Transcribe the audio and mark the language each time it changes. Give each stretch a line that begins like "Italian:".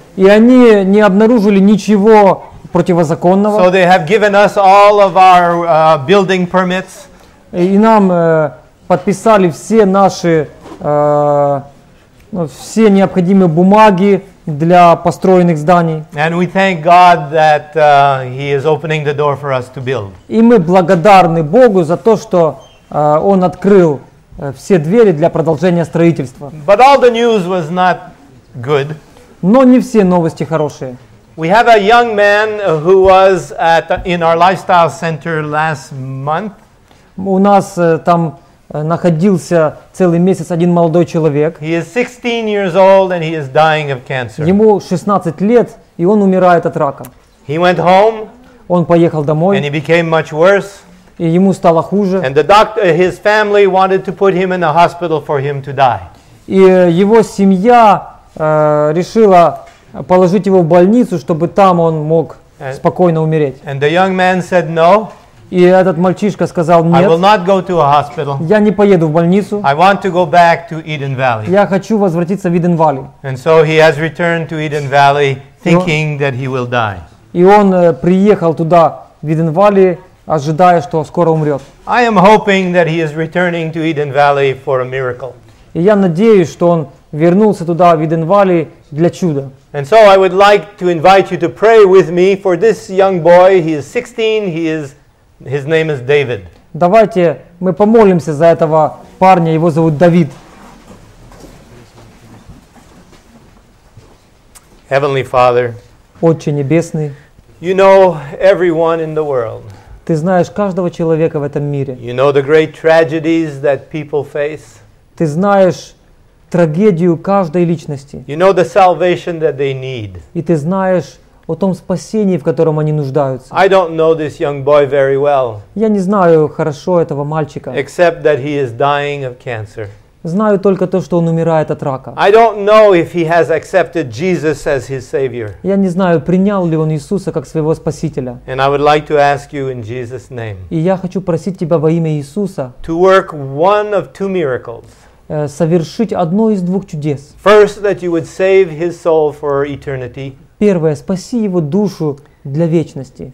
Russian: И они не обнаружили ничего противозаконного.
English: So they have given us all of our building permits.
Russian: И нам подписали все наши все необходимые бумаги для построенных зданий.
English: And we thank God that he is opening the door for us to build.
Russian: И мы благодарны Богу за то, что он открыл все двери для продолжения строительства.
English: But all the news was not good.
Russian: Но не все новости хорошие.
English: We have a young man who was at in our lifestyle center last month.
Russian: У нас там находился целый месяц один молодой человек.
English: He is 16 years old and he is dying of cancer.
Russian: Ему 16 лет, и он умирает от рака.
English: He went home.
Russian: Он поехал домой.
English: And he became much worse.
Russian: И ему стало хуже.
English: And the doctor, his family wanted to put him in a hospital for him to die.
Russian: И его семья решила положить его в больницу, чтобы там он мог спокойно умереть.
English: And the young man said no.
Russian: И этот мальчишка сказал, нет,
English: I will not go to a hospital.
Russian: Я не поеду в больницу.
English: I want to go back to Eden Valley.
Russian: Я хочу возвратиться в Eden Valley.
English: And so he has returned to Eden Valley thinking that he will die.
Russian: И он приехал туда, в Eden Valley, ожидая, что скоро умрет.
English: I am hoping that he is returning to Eden Valley for a miracle.
Russian: И я надеюсь, что он вернулся туда, в Eden Valley, для чуда.
English: And so I would like to invite you to pray with me for this young boy. He is 16, His name is David.
Russian: Давайте мы помолимся за этого парня. Его зовут Давид.
English: Heavenly Father.
Russian: Отче небесный.
English: You know everyone in the world.
Russian: Ты знаешь каждого человека в этом мире.
English: You know the great tragedies that people face.
Russian: Ты знаешь трагедию каждой личности.
English: You know the salvation that they need.
Russian: И ты знаешь о том спасении, в котором они нуждаются.
English: I don't know this young boy very well.
Russian: Я не знаю хорошо этого мальчика.
English: Except that he is dying of cancer.
Russian: Знаю только то, что он умирает от рака.
English: I don't know if he has accepted Jesus as his savior.
Russian: Я не знаю, принял ли он Иисуса как своего спасителя.
English: And I would like to ask you in Jesus' name.
Russian: И я хочу просить тебя во имя Иисуса.
English: To work one of two miracles.
Russian: Совершить одно из двух чудес.
English: First, that you would save his soul for eternity.
Russian: Первое, спаси его душу для вечности.